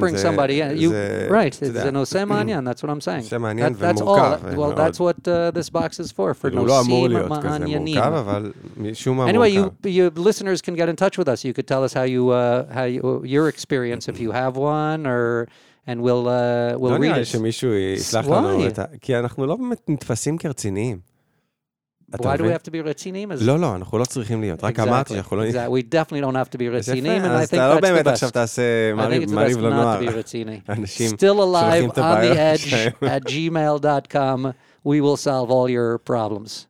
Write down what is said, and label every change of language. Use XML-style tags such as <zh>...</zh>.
<en>But I can't bring somebody in. You... Right,</en> <he>זה נושא מעניין,</he> <en>that's what I'm saying.</en> <he>נושא מעניין ומורכב.</he> <en>Well, that's what this box is for, for</en> <he>נושאים מעניינים. הוא לא אמור להיות כזה מורכב, אבל משום מה מורכב.</he> <en>Anyway, you listeners can get in touch with us. You could tell us your experience, if you have one, or... And we'll read it.</en> <he>לא נראה שמישהו יסלח לנו את ה... כי אנחנו לא באמת נתפסים כרציניים.</he> <en>Why do we have to be רציניים?</en> <he>לא, לא, אנחנו לא צריכים להיות. רק אמרתי, אנחנו לא...</he> <en>Exactly. We definitely don't have to be רציניים, and I think that's best.</en> <he>אז אתה לא באמת עכשיו תעשה מריב לנוער.</he> <en>I think it's the best not to be</en> <he>רציני.</he> <en>Still alive on the edge at gmail.com. We will solve all your problems.</en>